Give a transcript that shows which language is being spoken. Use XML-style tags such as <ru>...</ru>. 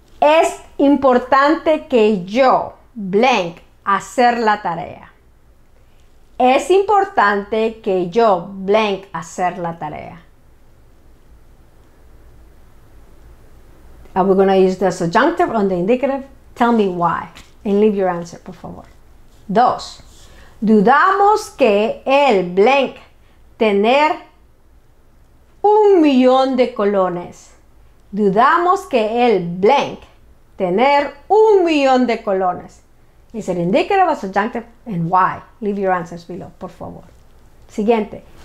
<es>Es importante que yo, blank, hacer la tarea. Es importante que yo, blank, hacer la tarea.</es> <en>Are we going to use the subjunctive or the indicative? Tell me why and leave your answer,</en> <es>por favor. Dos. Dudamos que el blank tener un millón de colones. Dudamos que el blank tener un millón de colones.</es> <en>Is it indicative or subjunctive and why? Leave your answers below,</en> <es>por favor. Siguiente.</es>